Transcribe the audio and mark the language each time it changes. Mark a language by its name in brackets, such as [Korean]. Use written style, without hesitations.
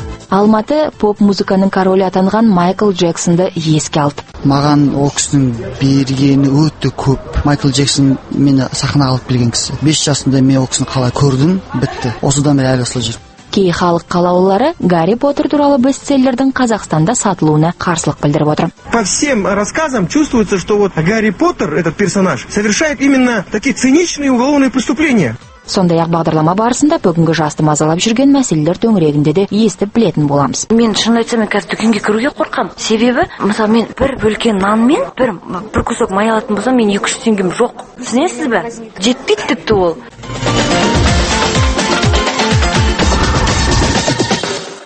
[Kazakh] Алматы поп-музыканың королі атанған Майкл Джексонды еске алды. Маған ол кісінің бергені өте көп. Майкл Джексон мені сахнаға алып келген кісі. 5 жасымда мен ол кісіні қалай көрдім, бітті. Осыдан бері әлі осылай жүрмін. Кей халық қалаулылары Гарри Поттер туралы бестселлердің Қазақстанда сатылуына қарсылық білдіріп отыр. [Russian] По всем рассказам чувствуется, что вот Гарри Поттер этот персонаж совершает именно такие циничные уголовные преступления. [Kazakh] Сондай-ақ бағдарлама барысында бүгінгі жасты мазалап жүрген мәселелер төңірегінде де естіп білетін боламыз. Мен шын айтсам, мен қазір дүкенге кіруге қорқам. Себебі, мысалы, мен бір бөлке нан мен бір кусок май алатын болсам, мен 200 теңгем жоқ. Түсінесіз бе? Жетпейді тіпті ол.